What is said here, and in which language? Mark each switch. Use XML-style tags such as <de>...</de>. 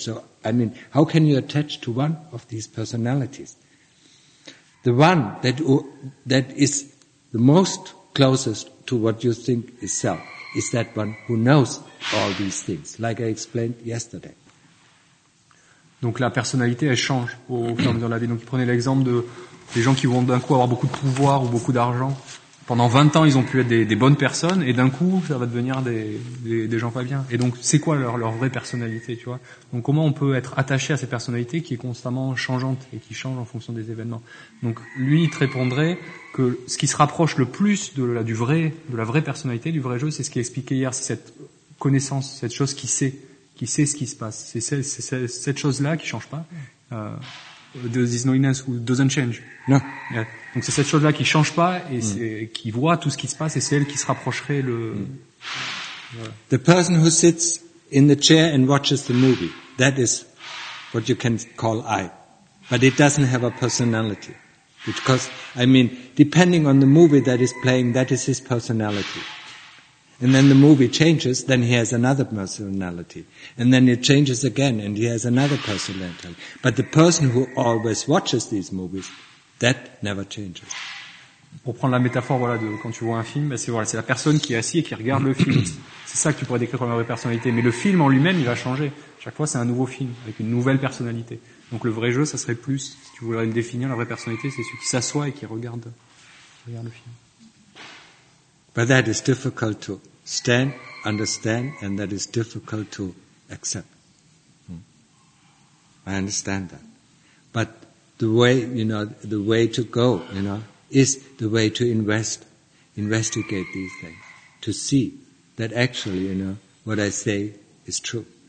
<en>So, I mean, how can you attach to one of these personalities? The one that is the most closest to what you think is self, is that one who knows all these things, like I explained yesterday.</en> <fr>Donc la personnalité, elle change au fur et à mesure de la vie. Donc il prenait l'exemple des gens qui vont d'un coup avoir beaucoup de pouvoir ou beaucoup d'argent. Pendant 20 ans, ils ont pu être des bonnes personnes, et d'un coup, ça va devenir des gens pas bien. Et donc, c'est quoi leur vraie personnalité, tu vois? Donc comment on peut être attaché à cette personnalité qui est constamment changeante et qui change en fonction des événements? Donc lui, il te répondrait que ce qui se rapproche le plus de la vraie personnalité, du vrai jeu, c'est ce qu'il expliquait hier, c'est cette connaissance, cette chose qui sait ce qui se passe. C'est cette chose-là qui change pas.</fr> <en>Is no innocence who doesn't change. No. Yeah.</en> <fr>Donc c'est cette chose-là qui change pas et qui voit tout ce qui se passe et c'est elle qui se rapprocherait le. Voilà.</fr> <en>The person who sits in the chair and watches the movie, that is what you can call I. But it doesn't have a personality. Because, I mean, depending on the movie that is playing, that is his personality. And then the movie changes, then he has another personality. And then it changes again, and he has another personality. But the person who always watches these movies, that never changes.</en> <fr>Pour prendre la métaphore, voilà, de quand tu vois un film, ben c'est la personne qui est assise et qui regarde le film. C'est ça que tu pourrais décrire comme la vraie personnalité. Mais le film en lui-même, il va changer. Chaque fois, c'est un nouveau film, avec une nouvelle personnalité. Donc le vrai jeu, ça serait plus, si tu voulais le définir, la vraie personnalité, c'est celui qui s'assoit et qui regarde le film.</fr> <en>But that is difficult to stand, understand, and that is difficult to accept. I understand that. But the way, you know, the way to go, you know, is the way to investigate these things, to see that actually, you know, what I say is true.</en>